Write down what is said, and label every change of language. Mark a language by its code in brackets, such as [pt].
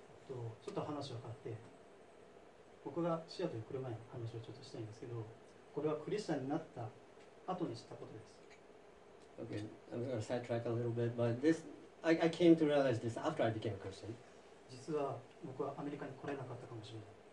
[ja] ちょっと話を変わって、僕がシアトルに来る前に話をちょっとしたいんですけど。これはクリスチャンになった後に知ったことです。 [en] Okay, I'm going to sidetrack a little bit, but this, I came to realize this after I became a Christian. [ja] 実は僕はアメリカに来れなかったかもしれない。